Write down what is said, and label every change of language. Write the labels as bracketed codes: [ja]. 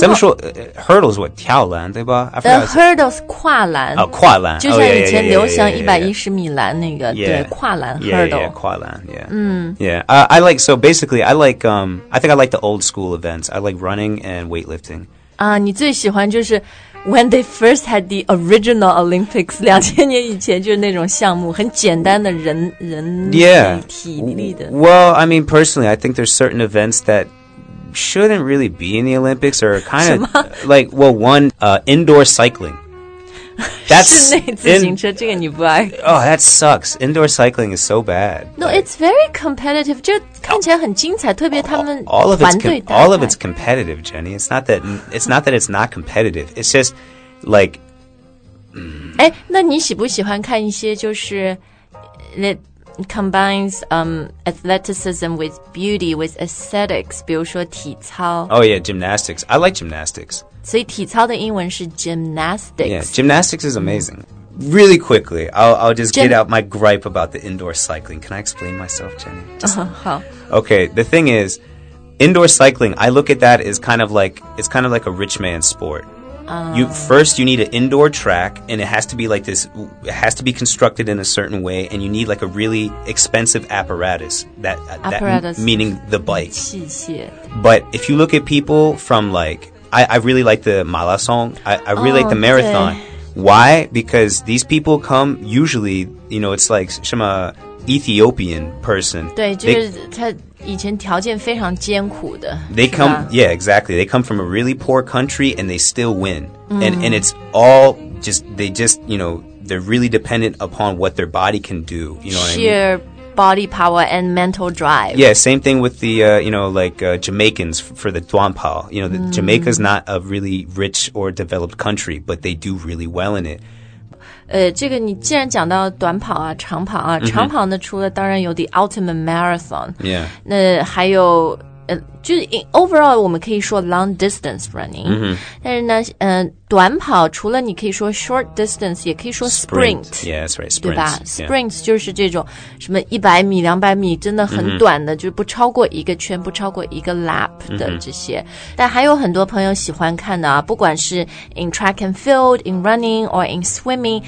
[zh] 怎么说、hurdles, what? 跳篮对吧 The hurdles, 跨篮。哦、跨篮。就像以前刘翔110米篮那个、 [en] yeah. [zh] 对跨篮 hurdle. [en] Yeah, yeah, 跨篮 yeah.、I like, so basically, I like,、I think I like the old school events. I like running and weightlifting. [zh] 啊、你最喜欢就是 [en] when they first had the original Olympics, [zh] 2000年以前就是那种项目很简单的人力、 [en] yeah. [zh] 体力的。 [en] Well, I mean, personally, I think there's certain events thatshouldn't really be in the Olympics or kind of like well one indoor cycling [zh] that's 室内自行车这个你不爱 [en] oh that sucks indoor cycling is so bad no like, it's very competitive [zh] 就看起来很精彩特别他们团队打 [en] all of it's competitive Jenny it's not that it's not competitive it's just like [zh] 那你喜不喜欢看一些就是那 [en] combines athleticism with beauty with aesthetics [zh] 比如说体操 [en] oh yeah gymnastics I like gymnastics [zh] 所以体操的英文是 gymnastics [en] yeah gymnastics is amazing really quickly I'll just get out my gripe about the indoor cycling can I explain myself Jenny just... okay the thing is indoor cycling I look at that as kind of like it's kind of like a rich man's sportYou, first, you need an indoor track, and it has to be like this, it has to be constructed in a certain way, and you need like a really expensive apparatus, meaning the bike. [zh] 器械 [en] But if you look at people from like, I really like the marathon, I really like the marathon. Why? Because these people come, usually, you know, it's like some Ethiopian person. [zh] 对就是他以前条件非常艰苦的 [en] They come, yeah, exactly. They come from a really poor country and they still win. And it's all just, they just, you know, they're really dependent upon what their body can do. You know what Sheer I mean? Sheer body power and mental drive. Yeah, same thing with the, you know, like Jamaicans for the 短跑 You know, Jamaica's not a really rich or developed country, but they do really well in it. [zh] 这个你既然讲到短跑啊长跑啊、 mm-hmm. 长跑呢除了当然有 [en] the ultimate marathon、 yeah. [zh] 那还有就是 overall 我们可以说 [en] long distance running、 mm-hmm. [zh] 但是呢短跑除了你可以说 short distance 也可以说 sprint [en] yeah that's right sprint [zh] 对吧、 [en] yeah. [zh] sprint 就是这种什么100米200米真的很短的、 mm-hmm. 就不超过一个圈不超过一个 lap 的这些、mm-hmm. 但还有很多朋友喜欢看的啊不管是 [en] in track and field in running or in swimming、